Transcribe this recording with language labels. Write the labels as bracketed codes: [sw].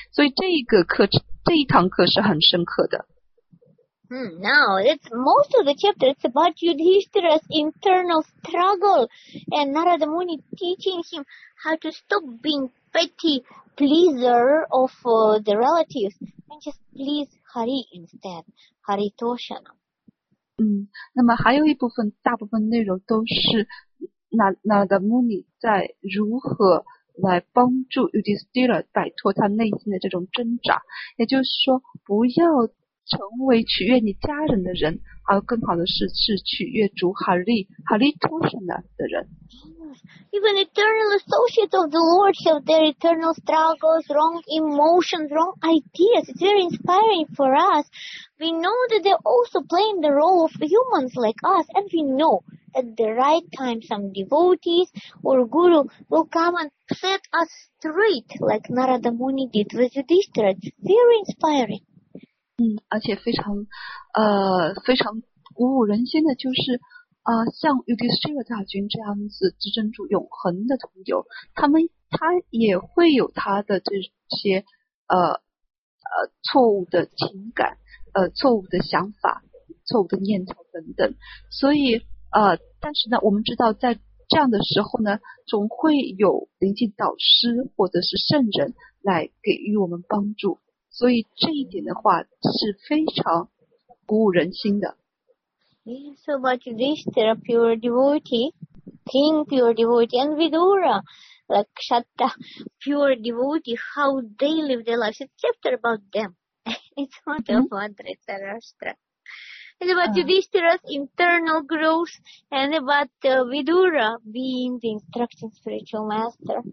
[zh] 所以这一个课，这一堂课是很深刻的。 [en] Now it's most of the chapter it's about Yudhishthira's internal struggle, and Narada Muni teaching him how to stop being petty pleaser of the relatives and just please Hari instead, Hari Toshana. [zh] 那么还有一部分，大部分内容都是Narada Muni在如何来帮助 Yudhishthira 摆脱他内心的这种挣扎，也就是说不要成为取悦你家人的人，而更好的是取悦主哈利托什纳的人。 [en] Even eternal associates of the Lord have their eternal struggles, wrong emotions, wrong ideas. It's very inspiring for us. We know that they're also playing the role of humans like us, and we know at the right time some devotees or guru will come and set us straight, like Narada Muni did with Yudhishthira. It's very inspiring. [zh] 而且非常非常鼓舞人心的就是像 Yudhishthira 大军这样子执政主永恒的朋友，他也会有他的这些错误的情感，错误的想法，错误的念头等等。所以但是呢，我们知道在这样的时候呢，总会有灵性导师或者是圣人来给予我们帮助。所以这一点的话是非常鼓舞人心的。 [en] Yes, about Yudhishthira, pure devotee, King pure devotee, and Vidura, like Kshatta, pure devotee, how they live their lives. It's a chapter about them. It's not about Dhritarashtra. It's about Yudhishthira's internal growth, and about Vidura being the instructing spiritual master.